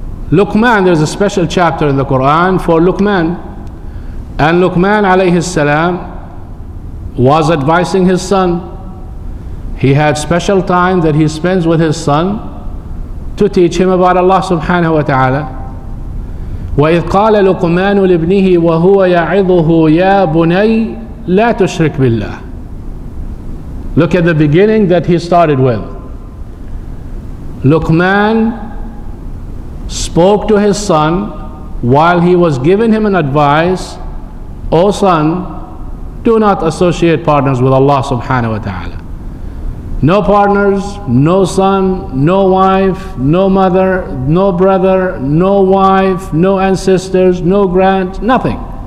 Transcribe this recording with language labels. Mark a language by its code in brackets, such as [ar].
[en] Luqman, there's a special chapter in the Quran for Luqman. And Luqman alayhi salam was advising his son. He had special time that he spends with his son to teach him about Allah subhanahu wa ta'ala. [ar] وَإِذْ قَالَ لُقْمَانُ لِبْنِهِ وَهُوَ يَعِظُهُ يَا بُنَيْ لَا تُشْرِكْ بِاللَّهِ. [en] Look at the beginning that he started with. Luqman spoke to his son while he was giving him an advice, O son, do not associate partners with Allah subhanahu wa ta'ala. No partners, no son, no wife, no mother, no brother, no wife, no ancestors, no grand, nothing.